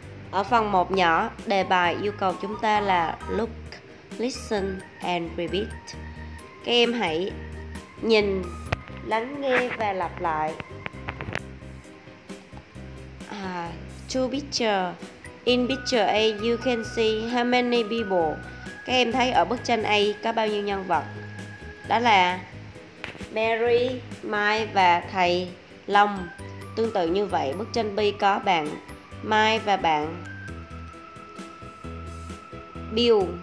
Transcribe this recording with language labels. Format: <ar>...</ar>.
<vi>Ở phần 1 nhỏ, đề bài yêu cầu chúng ta là</vi> <en>Look, Listen and Repeat.</en> <vi>Các em hãy nhìn, lắng nghe và lặp lại.</vi> <en>Two picture. In picture A, you can see how many people.</en> <vi>Các em thấy ở bức tranh A có bao nhiêu nhân vật? Đó là Mary, Mai và thầy Long. Tương tự như vậy, bức tranh B có bạn Mai và bạn Bill.</vi>